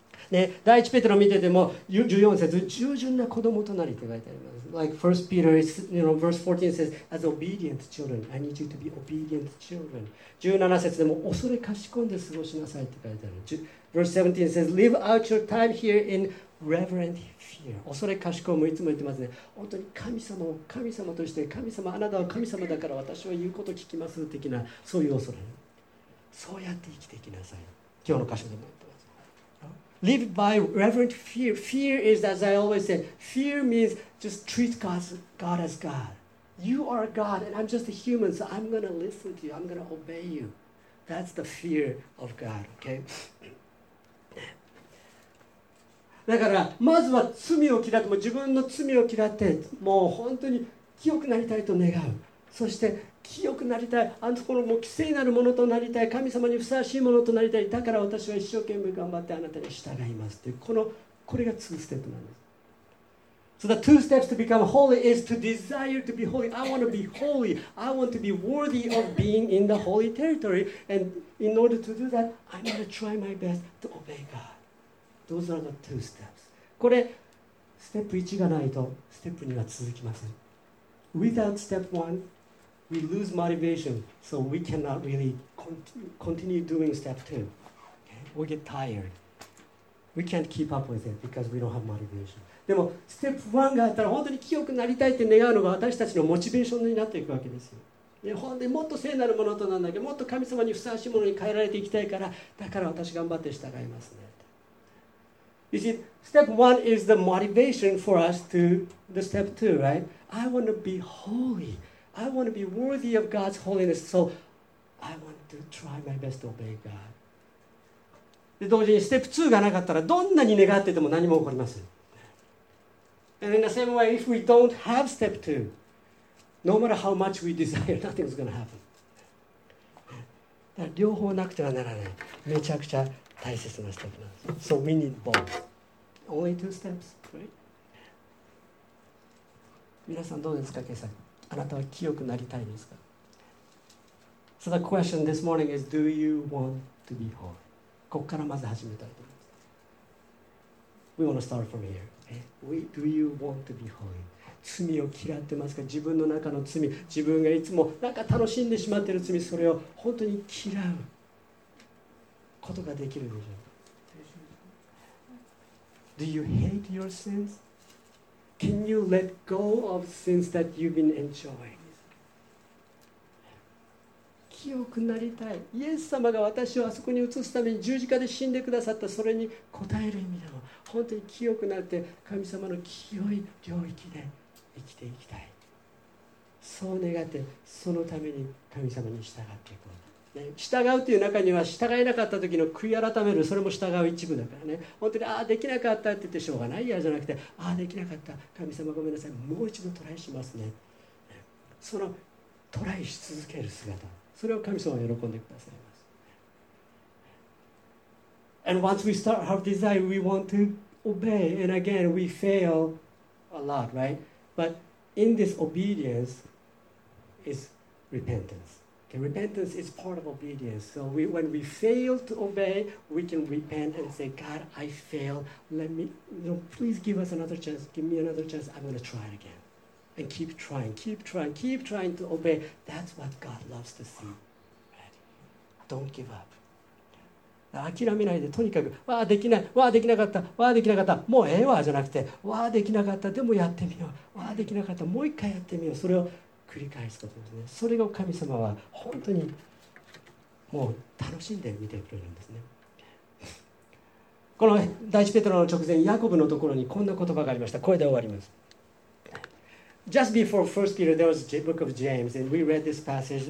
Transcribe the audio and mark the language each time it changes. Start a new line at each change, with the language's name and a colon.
Japanese: ね、第一ペテロ見てても14節、従順な子供となりって書いてあります。
English: Like 1 Peter, is, you know, verse 14 says, as obedient children, I need you to be obedient children.
Japanese: 17節でも恐れかしこんで過ごしなさいって書いてある。
English: Verse 17 says, live out your time here in reverent fear.
Japanese: 恐れかしこむ、いつも言ってますね。本当に神様を神様として、神様、あなたは神様だから私は言うこと聞きます的な、そういう恐れ。そうやって生きていきなさい。今日の箇所でも言ってます。
English: live by reverent fear. Fear is, as I always say, fear means just treat God as God. You are God, and I'm just a human, so I'm going to listen to you. I'm going to obey you. That's the fear of God, okay?
Japanese: だから、まずは罪を嫌って、もう自分の罪を嫌って、もう本当に清くなりたいと願う。そして、清くなりたい。あのところも聖なるものとなりたい。神様にふさわしいものとなりたい。だから私は一生懸命頑張ってあなたに従います。という、これが2ステップなんです。
English: So the two steps to become holy is to desire to be holy. I want to be holy. I want to be worthy of being in the holy territory. And in order to do that, I'm going to try my best to obey God. Those are the two steps.
Japanese: これ、ステップ1がないと、ステップ2は続きません。
English: Without step 1, we lose motivation, so we cannot really continue doing step 2. Okay? We get tired. We can't keep up with it because we don't have motivation.
Japanese: でもステップ1があったら本当に清くなりたいって願うのが私たちのモチベーションになっていくわけですよ。本当にもっと聖なるものとなんだけどもっと神様にふさわしいものに変えられていきたいからだから私頑張って従いますね。
English: You see, step 1 is the motivation for us to the step 2, right? I want to be holy. I want to be worthy of God's holiness. So I want to try my best to obey God.
Japanese: で同時にステップ2がなかったらどんなに願ってても何も起こりません。
English: And in the same way, if we don't have step two, no matter how much we desire, nothing's going to happen.
Japanese: だから両方なくてはならない。めちゃくちゃ大切なステップなんです。
English: So we need both. Only two steps, right?
Japanese: 皆さんどうですか、ケイさん。あなたは清くなりたいですか。
English: So the question this morning is, do you want to be holy?
Japanese: ここからまず始めたいと思います。
English: We want to start from here. Do you want to be holy?
Japanese: 罪を嫌ってますか？自分の中の罪、自分がいつもなんか楽しんでしまっている罪、それを本当に嫌うことができるでしょうか？
English: Do you hate your sins? Can you let go of sins that you've been enjoying?
Japanese: 清くなりたい。イエス様が私をあそこに移すために十字架で死んでくださった、それに応える意味だ。本当に清くなって神様の清い領域で生きていきたい。そう願ってそのために神様に従っていこう、ね、従うという中には従えなかった時の悔い改める、それも従う一部だからね。本当にああできなかったって言ってしょうがないやじゃなくて、ああできなかった、神様ごめんなさい、もう一度トライしますね。そのトライし続ける姿、それを神様は喜んでください。
English: And once we start our desire, we want to obey. And again, we fail a lot, right? But in this obedience is repentance. Okay, repentance is part of obedience. So when we fail to obey, we can repent and say, God, I failed. Let me, you know, please give us another chance. Give me another chance. I'm going to try it again. And keep trying, keep trying, keep trying to obey. That's what God loves to see. Right? Don't give up.
Japanese: 諦めないで、とにかくわあできない、わあできなかった、わあできなかった、もうええわじゃなくて、わあできなかった、でもやってみよう、わあできなかった、もう一回やってみよう、それを繰り返すことですね。それが神様は本当にもう楽しんで見てくれるんですね。この第一ペテロの直前、ヤコブのところにこんな言葉がありました。これで終わります。
English: Just before 1 Peter there was the book of James and we read this passage.